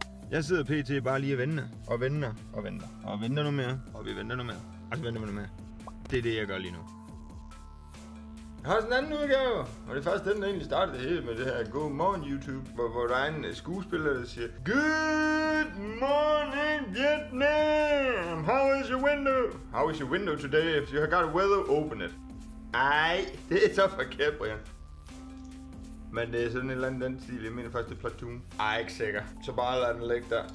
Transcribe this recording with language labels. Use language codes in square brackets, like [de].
[da] Jeg sidder pt. Bare lige og venter. Og venter noget mere. Og vi venter noget mere. Og så venter vi noget mere. Det er det, jeg gør lige nu. Jeg har sådan en anden udgave. Og det er faktisk den, der egentlig startede hele med det her God Morgen YouTube. Hvor der er en skuespiller, der siger [en] Good morning Vietnam! How is your window? How is your window today? If you have got a weather, open it. [da] Ej, det er så forkert, Brian. Men det er sådan en eller anden stil. Jeg mener faktisk, det er platoon. Ej, ikke sikker. Så bare lad den ligge der.